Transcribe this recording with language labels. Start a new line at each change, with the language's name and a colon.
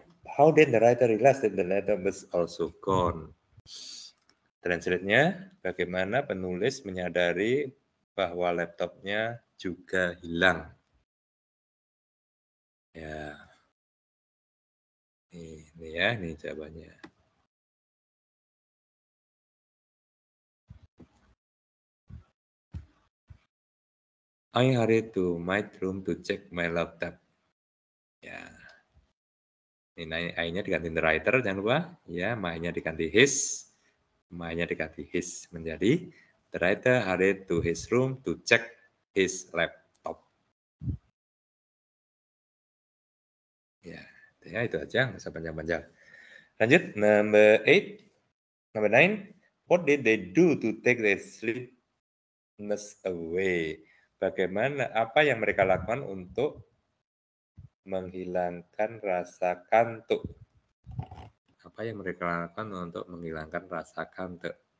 English: How did the writer realize that the laptop was also gone?
Indonesian: Translate-nya, bagaimana penulis menyadari bahwa laptopnya juga hilang? Ya. Ini ya, ini jawabannya.
English: I hurried to my room to check my laptop. Ya.
Indonesian: Ini I-nya diganti
English: the writer,
Indonesian: jangan lupa. Ya, my-nya diganti his. My-nya diganti his menjadi
English: the writer hurried to his room to check his laptop.
Indonesian: Ya. Ya, itu aja, nggak usah panjang-panjang. Lanjut, number 8. Number 9.
English: What did they do to take their sleepiness away?
Indonesian: Bagaimana, apa yang mereka lakukan untuk menghilangkan rasa kantuk? Apa yang mereka lakukan untuk menghilangkan rasa kantuk?